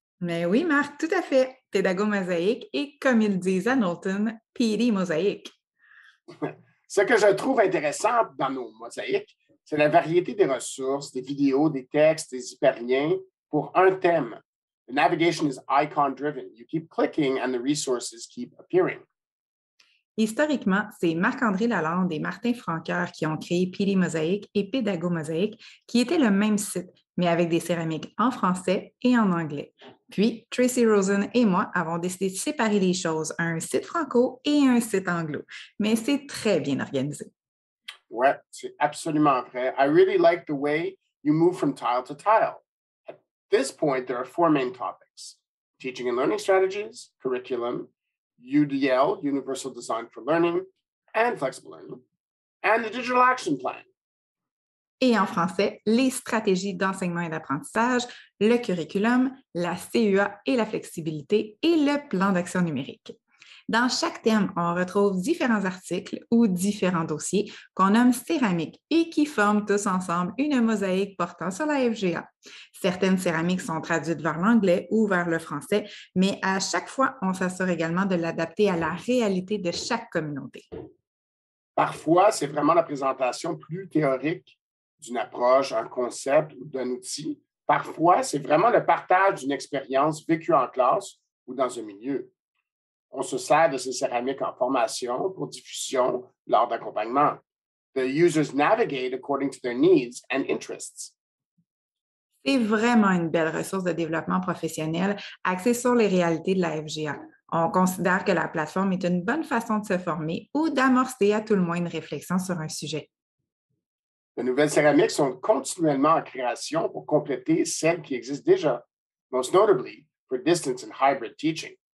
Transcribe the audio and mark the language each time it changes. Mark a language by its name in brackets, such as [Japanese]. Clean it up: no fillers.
[French] Mais oui, Marc, tout à fait. Pédago Mosaïque et, comme ils disent à Knowlton, PD Mosaïque. Ce que je trouve intéressant dans nos mosaïques, c'est la variété des ressources, des vidéos, des textes, des hyperliens pour un thème. [English] The navigation is icon-driven. You keep clicking and the resources keep appearing. [French] Historiquement, c'est Marc-André Lalande et Martin Franqueur qui ont créé PD Mosaïque et Pédago Mosaïque, qui étaient le même site, mais avec des céramiques en français et en anglais. Puis, Tracy Rosen et moi avons décidé de séparer les choses, un site franco et un site anglo. Mais c'est très bien organisé. Oui, c'est absolument vrai. [English] I really like the way you move from tile to tile. At this point, there are 4 main topics. Teaching and learning strategies, curriculum, UDL, Universal Design for Learning, and Flexible Learning, and the Digital Action Plan. [French] Et en français, les stratégies d'enseignement et d'apprentissage, le curriculum, la CUA et la flexibilité, et le plan d'action numérique. Dans chaque thème, on retrouve différents articles ou différents dossiers qu'on nomme céramiques et qui forment tous ensemble une mosaïque portant sur la FGA. Certaines céramiques sont traduites vers l'anglais ou vers le français, mais à chaque fois, on s'assure également de l'adapter à la réalité de chaque communauté. Parfois, c'est vraiment la présentation plus théorique d'une approche, un concept ou d'un outil. Parfois, c'est vraiment le partage d'une expérience vécue en classe ou dans un milieu. On se sert de ces céramiques en formation pour diffusion lors d'accompagnement. [English] The users navigate according to their needs and interests. [French] C'est vraiment une belle ressource de développement professionnel axée sur les réalités de la FGA. On considère que la plateforme est une bonne façon de se former ou d'amorcer à tout le moins une réflexion sur un sujet. Les nouvelles céramiques sont continuellement en création pour compléter celles qui existent déjà, [English] most notably for distance and hybrid teaching.